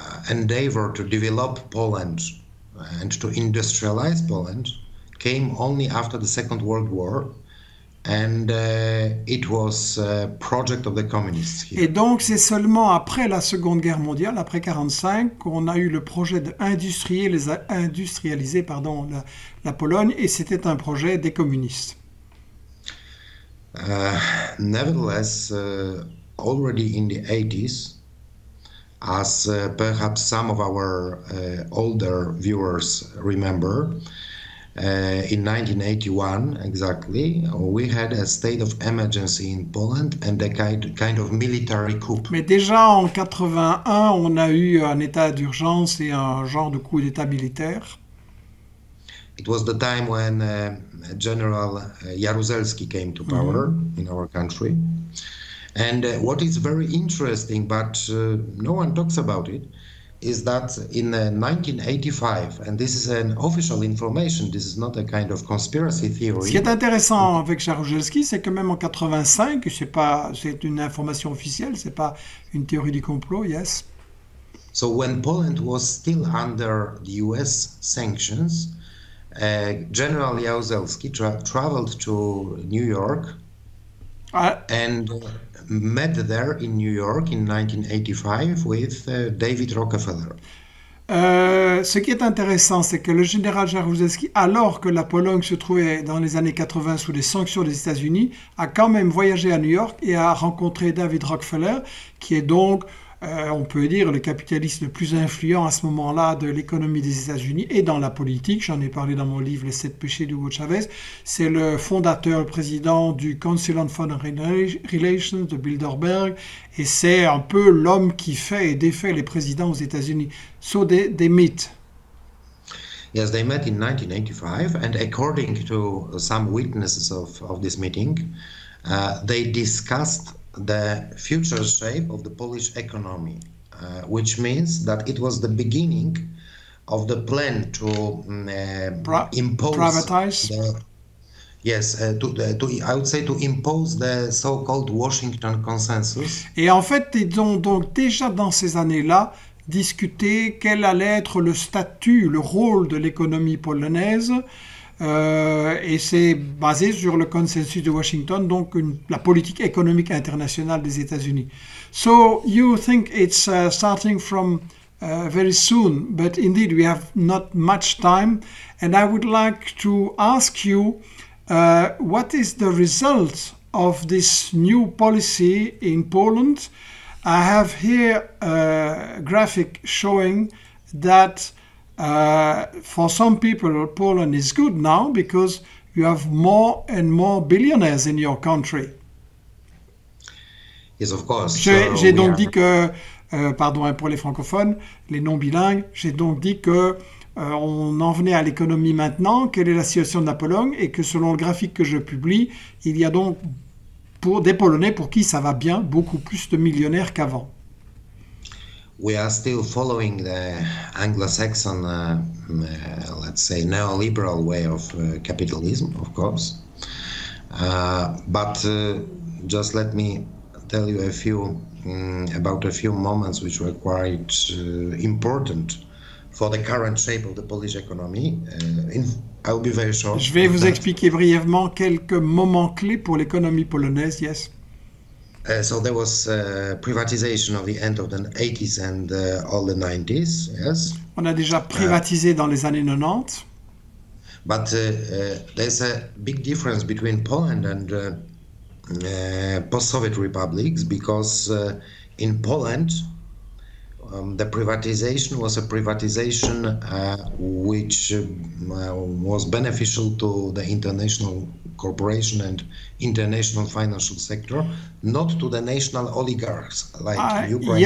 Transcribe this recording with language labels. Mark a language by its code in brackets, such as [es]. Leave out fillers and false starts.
[en] endeavor to develop Poland and to industrialize Poland came only after the Second World War, and it was a project of the communists here. [fr] Et donc c'est seulement après la Seconde Guerre mondiale, après 45, qu'on a eu le projet d'industrialiser pardon, la Pologne, et c'était un projet des communistes. [en] Nevertheless, already in the 80s, as perhaps some of our older viewers remember, in 1981 exactly, we had a state of emergency in Poland and a kind of military coup. [fr] Mais déjà en 81, on a eu un état d'urgence et un genre de coup d'état militaire. [en] It was the time when General Jaruzelski came to power in our country. And what is very interesting, but no one talks about it, is that in 1985, and this is an official information, this is not a kind of conspiracy theory. [fr] Ce qui est intéressant avec Jaruzelski, c'est que même en 85, c'est une information officielle, c'est pas une théorie du complot, yes. [en] So when Poland was still under the US sanctions, General Jaruzelski traveled to New York and met there in New York in 1985 with David Rockefeller. [fr] Ce qui est intéressant, c'est que le général Jaruzelski, alors que la Pologne se trouvait dans les années 80 sous les sanctions des États-Unis, a quand même voyagé à New York et a rencontré David Rockefeller, qui est donc, on peut dire, le capitaliste le plus influent à ce moment-là de l'économie des États-Unis et dans la politique. J'en ai parlé dans mon livre « Les sept péchés d'Hugo Chavez ». C'est le fondateur, le président du Council on Foreign Relations de Bilderberg. Et c'est un peu l'homme qui fait et défait les présidents aux États-Unis. [en] So they meet. Yes, they met in 1985. And according to some witnesses of this meeting, they discussed the future shape of the Polish economy, which means that it was the beginning of the plan to to impose the so-called Washington Consensus. [fr] Et en fait, ils ont donc déjà dans ces années-là discuté quel allait être le statut, le rôle de l'économie polonaise. Et c'est basé sur le consensus de Washington, donc la politique économique internationale des États-Unis. [en] So you think it's starting from very soon, but indeed we have not much time. And I would like to ask you, what is the result of this new policy in Poland? I have here a graphic showing that for some people, Poland is good now because you have more and more billionaires in your country. Yes, of course. [fr] J'ai donc dit que, pardon, pour les francophones, les non-bilingues, j'ai donc dit que on en venait à l'économie maintenant, quelle est la situation de la Pologne, et que selon le graphique que je publie, il y a donc pour des Polonais pour qui ça va bien, beaucoup plus de millionnaires qu'avant. [en] We are still following the Anglo-Saxon, let's say, neoliberal way of capitalism, of course. But just let me tell you about a few moments which were quite important for the current shape of the Polish economy. I will be very short. [fr] Je vais vous expliquer brièvement quelques moments clés pour l'économie polonaise. [en] Yes. So there was privatization of the end of the 80s and all the 90s, yes. [fr] On a déjà privatisé dans les années 90. [en] But there's a big difference between Poland and post-Soviet republics, because in Poland, the privatization was a privatization which was beneficial to the international corporation and international financial sector, not to the national oligarchs like Ukraine.